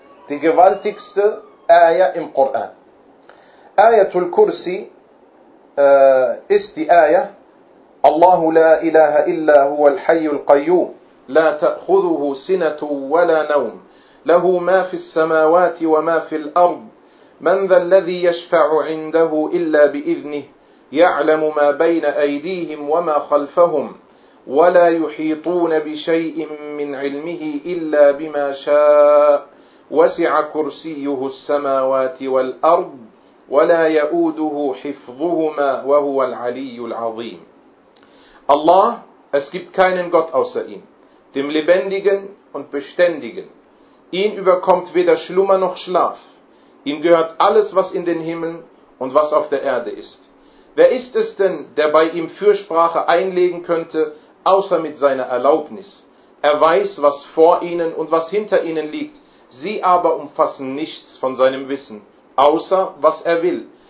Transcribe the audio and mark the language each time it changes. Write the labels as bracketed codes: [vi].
[de] Die gewaltigste Ayah im Koran. Ayatul Kursi ist die Ayah [ar] Allah la ilaha illa huwa al-hayy al-qayyum لا تأخذه سنة ولا نوم له ما في السماوات وما في الأرض من ذا الذي يشفع عنده إلا بإذنه يعلم ما بين أيديهم وما خلفهم ولا يحيطون بشيء من علمه إلا بما شاء وسع كرسيه السماوات والأرض ولا يؤوده حفظهما وهو العلي العظيم الله [de] Es gibt keinen Gott außer ihm, dem Lebendigen und Beständigen. Ihn überkommt weder Schlummer noch Schlaf. Ihm gehört alles, was in den Himmeln und was auf der Erde ist. Wer ist es denn, der bei ihm Fürsprache einlegen könnte, außer mit seiner Erlaubnis? Er weiß, was vor ihnen und was hinter ihnen liegt. Sie aber umfassen nichts von seinem Wissen, außer was er will.